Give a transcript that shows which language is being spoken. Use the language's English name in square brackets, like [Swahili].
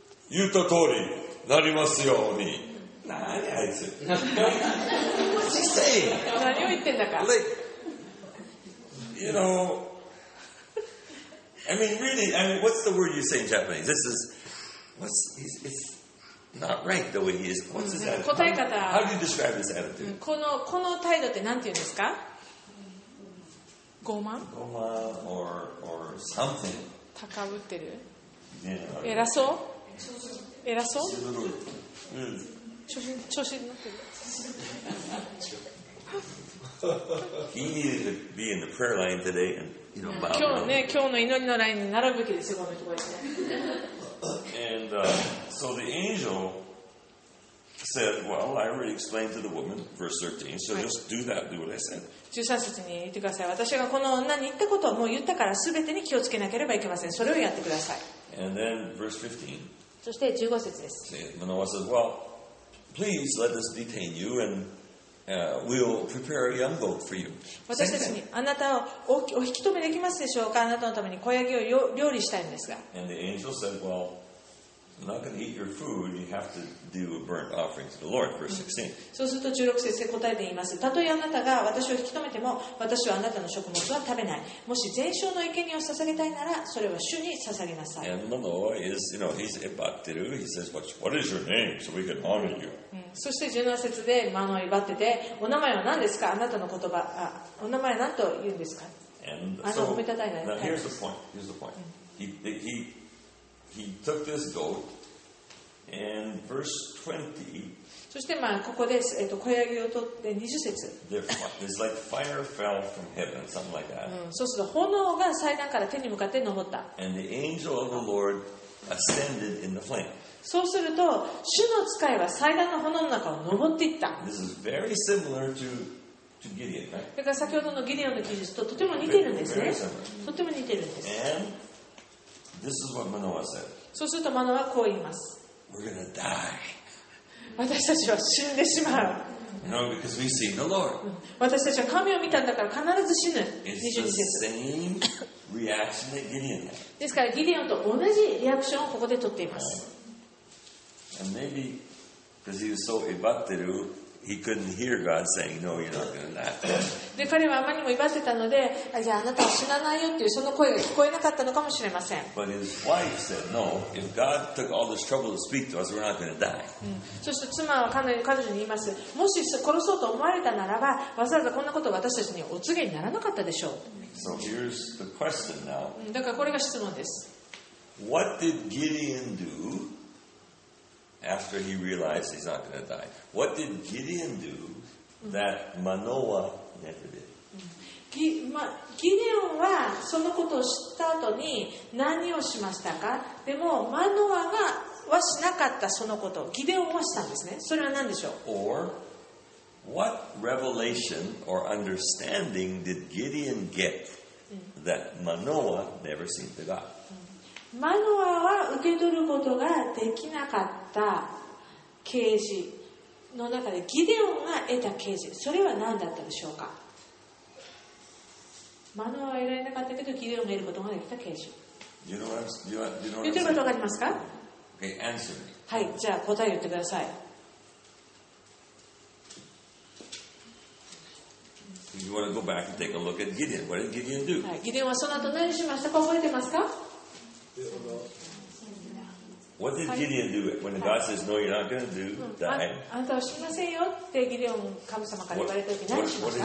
[Japanese] 言った通り、なりますように。何あいつ。 [English] What's he saying? [Japanese] 何を言ってんだか。 [English] Like, you know, I mean, really, I mean, what's the word you say in Japanese? This is, what's, it's,Not right the way he is. What's his attitude? [Japanese] 答え方。 [English] How do you describe his attitude? [Japanese] この態度って何て言うんですか？傲慢？傲慢 [English] or something. [Japanese] 高ぶってる？ [English] Yeah, [Japanese] 偉そう？偉そう？うん。調子になってる。 [English] He needed to be in the prayer line today and, you know, bow. [Japanese] 今日ね、今日の祈りのラインに並ぶべきですよ、この人は。 [English] And so the angel said, well, I already explained to the woman, verse 13, so just do that, do what I said. [Japanese] 13節に言ってください。私がこの女に言ったことをもう言ったから全てに気をつけなければいけません。それをやってください。 [English] And then verse 15. [Japanese] そして15節です。 [English] Manoah says, well, please let us detain you and we'll prepare a young goat for you. [Japanese] 私たちにあなたを お引き止めできますでしょうか。あなたのために小ヤギを料理したいんですが。 [English] And the angel said, well,I'm not going to eat your food. You have to do a burnt offering to the Lord. Verse 16. [Japanese] そうすると16節で答えています。たとえあなたが私を引き止めても、私はあなたの食物は食べない。もし全焼の生贄を捧げたいなら、それは主に捧げなさい。 [English] And Manoah is, you know, he's ebatteru. He says, what is your name? So we can honor you. [Japanese] そして17節でマノイバテで、お名前は何ですか？あなたの言葉、お名前は何と言うんですか？あの、褒めたたえない。 [English] Now here's the point. Here's the point. He took this goat and verse 20. [Japanese] そしてまあここで小ヤギを取って20節。 [English] There's like fire fell from heaven, something like that. [Japanese] そうすると炎が祭壇から天に向かって昇った。 [English] And the angel of the Lord ascended in the flame. [Japanese] そうすると主の使いは祭壇の炎の中を登っていった。 [English] This is very similar to Gideon, right? [Japanese] だから先ほどのギデオンの記述ととても似てるんですね。とても似てるんです。 [English] And this is what Manoah said. [Japanese] そうするとマノアはこう言います。 [English] We're gonna die. [Japanese] 私たちは死んでしまう。 [English] You know, because we've seen the Lord. [Japanese] 私たちは神を見たんだから必ず死ぬ。 [English] It's the same reaction that Gideon had. [Japanese] ですからギデオンと同じリアクションをここで取っています。 [English] And maybe because he was so ebatteru, he couldn't hear God saying, "No, you're not going to die." [Japanese] で彼はあまりにも威張ってたので、じゃああなたは死なないよっていうその声が聞こえなかったのかもしれません。 [English] But his wife said, "No, if God took all this trouble to speak to us, we're not going to die." [Japanese] そして妻は彼女に言います。もし殺そうと思われたならば、わざわざこんなことが私たちにお告げにならなかったでしょう。 [English] So here's the question now. [Japanese] だからこれが質問です。 [English] What did Gideon do? After he realized he's not going to die, what did Gideon do that Manoah never did? [Japanese] Gideon はそのことを知った後に何をしましたか？でもマノアはしなかったそのこと、ギデオンはしたんですね。それは何でしょう？ [English] Or what revelation or understanding did Gideon get that Manoah never seemed to got? [Japanese] マノアは受け取ることができなかった啓示の中でギデオンが得た啓示、それは何だったでしょうか。マノアは得られなかったけどギデオンが得ることができた啓示。 [English] You know what I'm saying? [Japanese] 言ってることわかりますか。 [English] Okay, answer me. [Japanese] はい、じゃあ答え言ってください。 [English] You want to go back and take a look at Gideon. What did Gideon do?、 [Japanese] はい、ギデオンはその後何しましたか、覚えてますか。 [English] What did Gideon do when God says, "No, you're not going to do die"? [Japanese] あなたは死にませんよってギデオン神様から言われた時何しました？